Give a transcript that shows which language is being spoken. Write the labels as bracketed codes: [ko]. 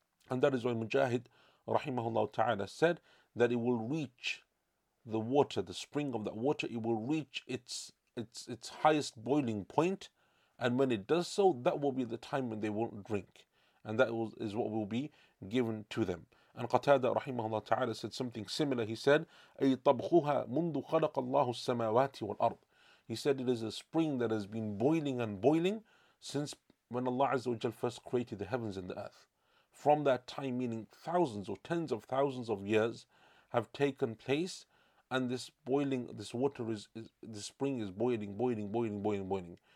[en] And that is why Mujahid rahimahullah ta'ala said that it will reach the water, the spring of that water, it will reach its highest boiling point, and when it does so, that will be the time when they won't drink, and that is what will be given to them. And Qatada rahimahullah ta'ala said something similar. He said, [ar] أي طبخها منذ خلق الله السماوات والأرض. [en] He said it is a spring that has been boiling and boiling since when Allah Azza wa Jal first created the heavens and the earth. From that time, meaning thousands or tens of thousands of years have taken place, and this boiling, this water is this spring is boiling, boiling, boiling, boiling, boiling.